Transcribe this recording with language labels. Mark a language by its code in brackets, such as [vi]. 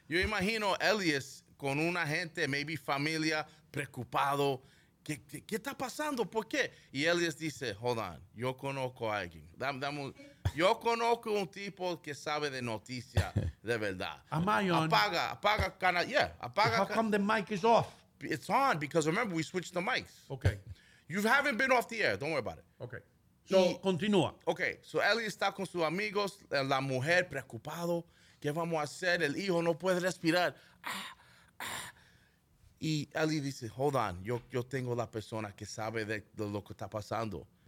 [es] Yo imagino Elias con una gente, maybe familia, preocupado. ¿Qué está pasando? ¿Por qué? Y él les dice, [en] hold on, [es] yo conozco a alguien. Yo conozco un tipo que sabe de noticias de verdad. [en] Am I on? [es] Apaga, canal. Yeah, apaga. [en] How come the mic is off? It's on because remember, we switched the mics. Okay. You haven't been off the air. Don't worry about it. Okay. So, continúa. Okay. [es] So, él está con sus amigos, la mujer preocupado. ¿Qué vamos a hacer? El hijo no puede respirar. Y Ali dice, [en] hold on, [es] yo tengo la persona que sabe de lo que está pasando.